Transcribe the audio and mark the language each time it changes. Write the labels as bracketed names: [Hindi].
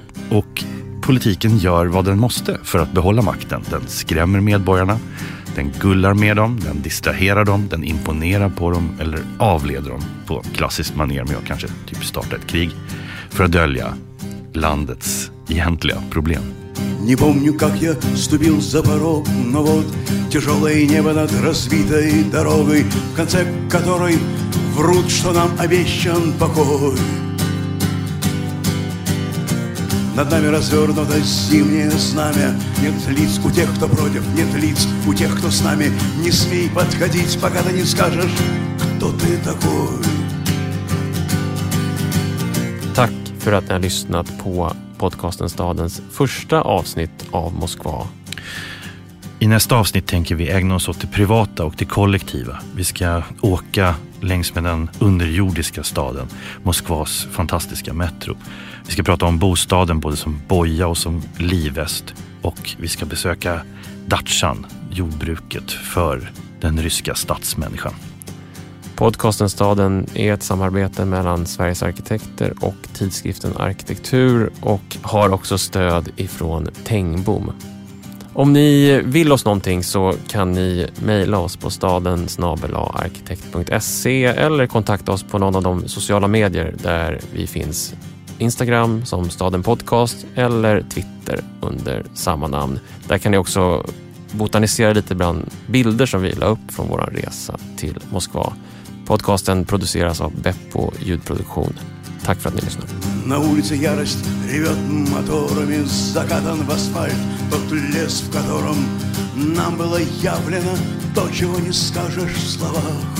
[Swedish] Och politiken gör vad den måste för att behålla makten. Den skrämmer medborgarna, den gullar med dem, den distraherar dem, den imponerar på dem eller avleder dem på klassiskt manier med att kanske typ starta ett krig för att dölja landets egentliga problem. [Russian] Не помню, как я ступил за порог, но вот тяжелое небо над разбитой дорогой, в конце которой врут, что нам обещан покой. Над нами развернуто зимнее знамя. Нет лиц у тех, кто против, нет лиц у тех, кто с нами. Не смей подходить, пока ты не скажешь, кто ты такой. [Swedish] Так, för att ni har lyssnat på podcasten Stadens första avsnitt av Moskva. I nästa avsnitt tänker vi ägna oss åt det privata och det kollektiva. Vi ska åka längs med den underjordiska staden, Moskvas fantastiska metro. Vi ska prata om bostaden både som boja och som livväst. Och vi ska besöka datchan, jordbruket för den ryska stadsmänniskan. Podcasten Staden är ett samarbete mellan Sveriges arkitekter och tidskriften Arkitektur och har också stöd ifrån Tengbom. Om ni vill oss någonting så kan ni mejla oss på staden@arkitekt.se eller kontakta oss på någon av de sociala medier där vi finns. Instagram som Staden Podcast eller Twitter under samma namn. Där kan ni också botanisera lite bland bilder som vi la upp från vår resa till Moskva. Podcasten produceras av Beppo Ljudproduktion. Tack för att ni lyssnar. [Russian] На улице ярость ревет моторами, закатан в асфальт тот лес, в котором нам было явлено то, чего не скажешь в словах.